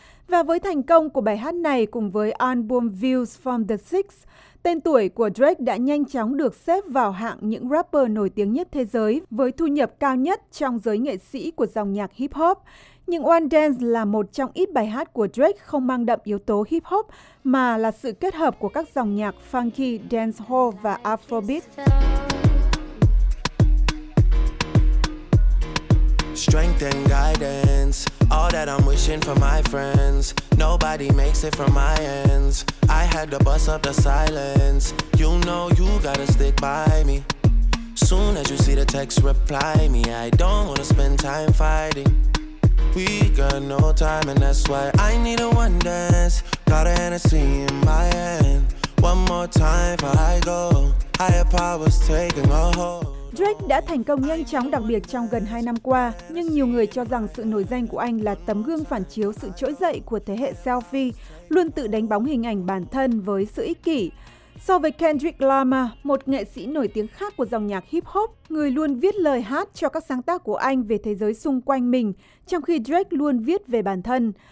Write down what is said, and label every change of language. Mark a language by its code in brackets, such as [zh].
[vi] Và với thành công của bài hát này cùng với album Views from the Six, tên tuổi của Drake đã nhanh chóng được xếp vào hạng những rapper nổi tiếng nhất thế giới với thu nhập cao nhất trong giới nghệ sĩ của dòng nhạc hip-hop. Nhưng One Dance là một trong ít bài hát của Drake không mang đậm yếu tố hip-hop mà là sự kết hợp của các dòng nhạc funky, dancehall và afrobeat. [en] Strength and guidance, all that I'm wishing for my friends. Nobody makes it from my ends. I had to bust up the silence. You know you gotta stick by me. Soon as you see the text, reply me. I don't wanna spend time fighting. We got no time and that's why I need a one dance. Got a Hennessy in my hand. One more time before I go. Higher powers taking a hold. [vi] Drake đã thành công nhanh chóng, đặc biệt trong gần 2 năm qua, nhưng nhiều người cho rằng sự nổi danh của anh là tấm gương phản chiếu sự trỗi dậy của thế hệ selfie, luôn tự đánh bóng hình ảnh bản thân với sự ích kỷ. So với Kendrick Lamar, một nghệ sĩ nổi tiếng khác của dòng nhạc hip-hop, người luôn viết lời hát cho các sáng tác của anh về thế giới xung quanh mình, trong khi Drake luôn viết về bản thân.